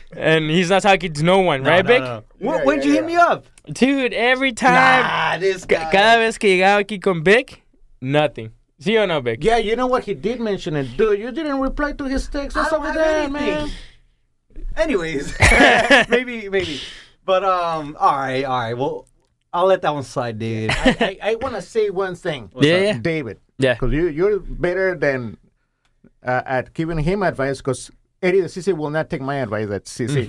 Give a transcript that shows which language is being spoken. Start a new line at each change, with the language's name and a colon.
English: And he's not talking to no one, right, Vic? No. When'd you hit me up? Dude, every time. Nah, this guy.
Spanish: Cada vez que llegaba aquí con Vic,
English: nothing. See or no, Vic? Yeah, you know what? He did mention it. Dude, you didn't reply to his text. What's up with that, man? Anyways. maybe. But, all right. Well, I'll let that one slide, dude. I want to say one thing. Yeah. David. Yeah. Because you're better than at giving him advice, because Eddie the CC will not take my advice at CC.